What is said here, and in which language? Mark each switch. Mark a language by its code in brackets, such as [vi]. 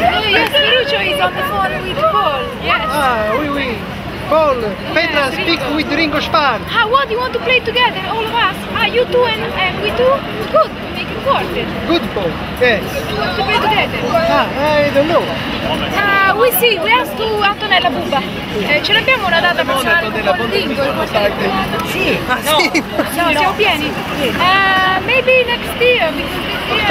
[en] Yes, Lucio is on the phone with Paul. Yes. [fr] Ah, oui, oui. [en] Paul, Petra, yes, speak Ringo. With Ringo Spahn. Ah, what? You want to play together, all of us? Ah, you two and we two? Good, we make it work. Good, Paul, yes. You want to play together? Ah, I don't know. [fr] Oui, [en] si, we ask to Antonella Bumba. [it] Ce l'abbiamo una data per fare con Ringo? Sì. Ah, no. Sì. No, siamo pieni? [en] Maybe next year, because this